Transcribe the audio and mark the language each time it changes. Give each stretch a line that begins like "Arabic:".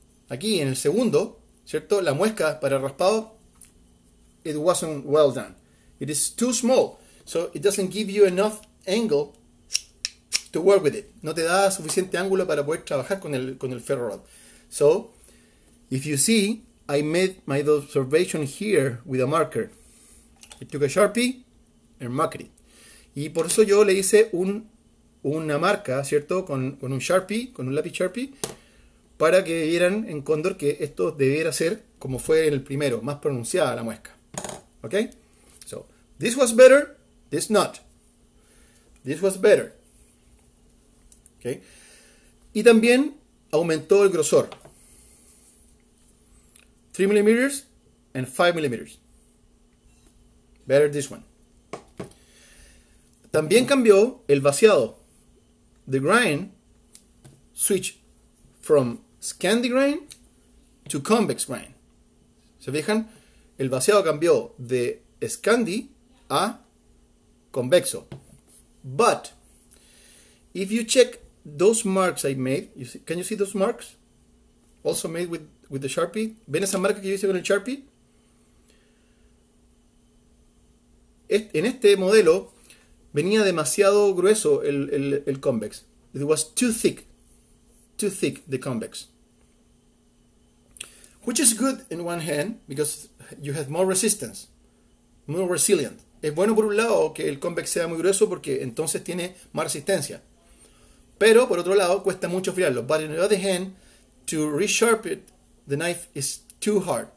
Spanish: Aquí en el segundo, ¿cierto? La muesca para el raspado,
English: it wasn't well done. It is too small, so it doesn't give you enough angle to work with it.
Spanish: No te da suficiente ángulo para poder trabajar con el ferro rod.
English: So, if you see, I made my observation here with a marker. I took a Sharpie and marked it.
Spanish: Y por eso yo le hice una marca, ¿cierto? Con un Sharpie, con un lápiz Sharpie, para que vieran en Condor que esto debiera ser como fue en el primero, más pronunciada la muesca.
English: ¿Ok? So, this was better, this not. This was better. ¿Ok?
Spanish: Y también aumentó el grosor.
English: 3 millimeters and 5 millimeters. Better this one.
Spanish: También cambió el vaciado.
English: The grind switch from Scandi grain to convex grain.
Spanish: ¿Se fijan? El vaciado cambió de Scandi a convexo.
English: But, if you check those marks I made, you see, can you see those marks? Also made with the Sharpie.
Spanish: ¿Ven esa marca que yo hice con el Sharpie? En este modelo venía demasiado grueso el convex.
English: It was too thick the convex. Which is good in one hand because you have more resistance, more resilient.
Spanish: Es bueno por un lado que el convex sea muy grueso porque entonces tiene más resistencia. Pero por otro lado cuesta mucho friarlo.
English: But on the other hand, to resharp it, the knife is too hard.